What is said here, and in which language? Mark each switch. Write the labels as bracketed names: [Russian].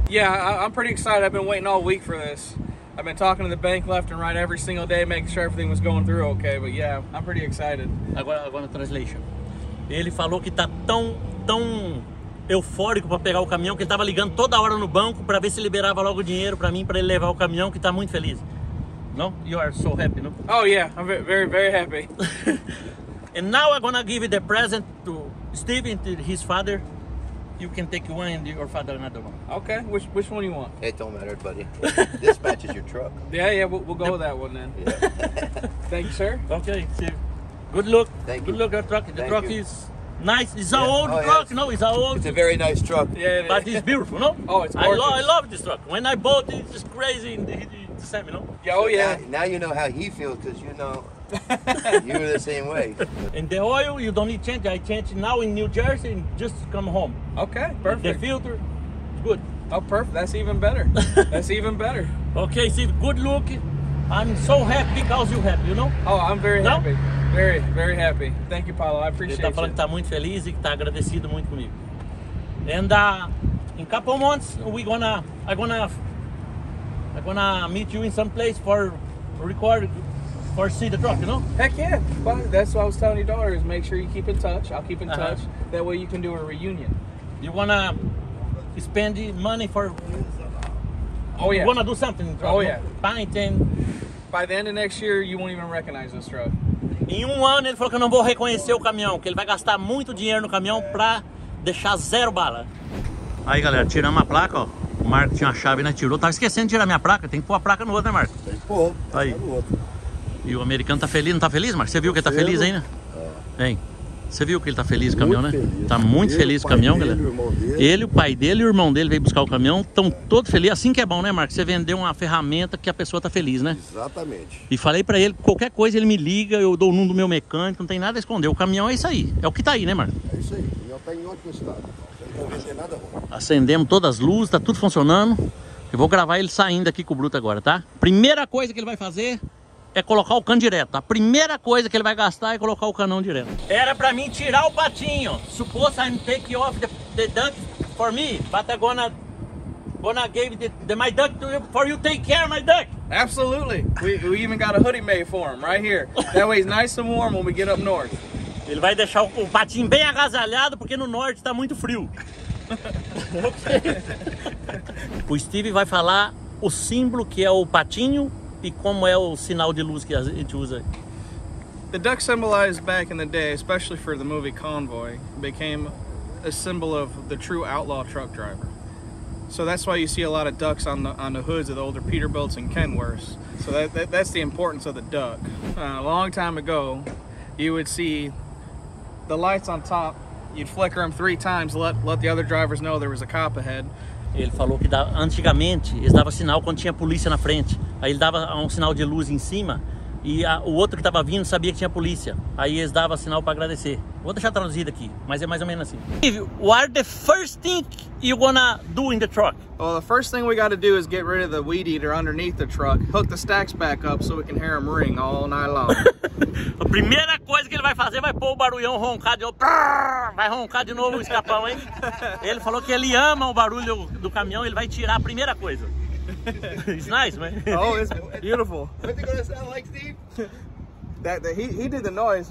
[English] Yeah, I'm pretty excited. I've been waiting all week for this. I've been talking to the bank left and right every single day, making sure everything was going through okay. But yeah, I'm pretty excited. Agora a translation. [Portuguese] Ele falou que tá tão eufórico para pegar o caminhão que ele tava ligando toda hora no banco para ver se liberava logo o dinheiro para mim para ele levar o caminhão, que tá muito feliz. Não? [English] You are so happy, no? Oh yeah, I'm very very happy. And now I'm gonna give the present to Steven, to his father. You can take one and your father another one. Okay, which one you want? It don't matter, buddy. This matches your truck. Yeah, we'll go with that one then. Yeah. Thank you, sir. Okay, see you. Good look. Thank good Good look at the truck. The Thank truck you. Is nice. It's an yeah. old oh, truck. Yeah. No, it's an old. It's a very nice truck. Yeah. But it's beautiful, no? Oh, it's gorgeous. I love this truck. When I bought it, it's crazy in the semi, no? Yeah, oh, yeah. Now you know how he feels because you know you're the same way. And the oil, you don't need change. I change now in New Jersey and just come home. Okay, perfect. The filter, good. Oh, perfect. That's even better. That's even better. Okay, see, good look. I'm so happy because you have, you know? Oh, I'm very no? happy. Very, very happy. Thank you, Paulo. I appreciate it. [Portuguese] Ele tá falando que tá muito feliz e que tá agradecido muito comigo. [English] And in couple months I'm gonna meet you in some place for record for see the truck, you know? Heck yeah. But that's what I was telling your daughter, is make sure you keep in touch. I'll keep in touch. That way you can do a reunion. You wanna spend money for Oh yeah. You wanna do something? Oh know? Yeah. Painting. By the end of next year you won't even recognize this truck. [Portuguese] Em um ano ele falou que eu não vou reconhecer o caminhão, que ele vai gastar muito dinheiro no caminhão pra deixar zero bala. Aí galera, tiramos a placa, ó. O Marco tinha a chave, né? Tirou. Tava esquecendo de tirar minha placa, tem que pôr a placa no outro, né, Marco? Tem que pôr. Aí. No outro. E o americano tá feliz, não tá feliz, Marco? Você viu que ele tá feliz ainda? Né? Hein? Você viu que ele tá feliz com o caminhão, né? Feliz. Tá muito ele, feliz com o caminhão, dele, galera. O irmão dele. Ele, o pai dele e o irmão dele veio buscar o caminhão, estão todos felizes. Assim que é bom, né, Marco? Você vendeu uma ferramenta que a pessoa tá feliz, né? Exatamente. E falei pra ele, qualquer coisa ele me liga, eu dou o número do meu mecânico, não tem nada a esconder. O caminhão é isso aí. É o que tá aí, né, Marco? É isso aí. O caminhão tá em ótimo estado. Não vai ser nada bom. Acendemos todas as luzes, tá tudo funcionando. Eu vou gravar ele saindo aqui com o Bruto agora, tá? Primeira coisa que ele vai fazer é colocar o cano direto. A primeira coisa que ele vai gastar é colocar o canão direto. Era pra mim tirar o patinho. [English] Suppose I'm take off the duck for me, but I'm gonna give the my duck to you for you take care of my duck. Absolutely. We even got a hoodie made for him right here. That way it's nice and warm when we get up north. [Portuguese] Ele vai deixar o patinho bem agasalhado porque no norte tá muito frio. O Steve vai falar o símbolo que é o patinho e como é o sinal de luz que a gente usa. [English] The duck symbolized back in the day, especially for the movie Convoy, became a symbol of the true outlaw truck driver. So that's why you see a lot of ducks on the hoods of the older Peterbilts and Kenworths. So that's the importance of the duck. A long time ago, you would see the lights on top, you'd flicker them three times, let the other drivers know there was a cop ahead. [Portuguese] Ele falou que antigamente eles davam sinal quando tinha polícia na frente. Aí ele dava um sinal de luz em cima e o outro que estava vindo sabia que tinha polícia. Aí eles davam sinal para agradecer. Vou deixar traduzido aqui, mas é mais ou menos assim. [English] Steve, what are the first thing you gonna do in the truck? Well, the first thing we gotta do is get rid of the weed eater underneath the truck, hook the stacks back up so we can hear them ring all night long. [Portuguese] A primeira coisa que ele vai fazer vai pôr o barulhão roncar de novo. Vai roncar de novo o escapão, hein? Ele falou que ele ama o barulho do caminhão, ele vai tirar a primeira coisa. [English] It's nice, man. Oh, it's beautiful. What's it gonna sound like, Steve? He did the noise.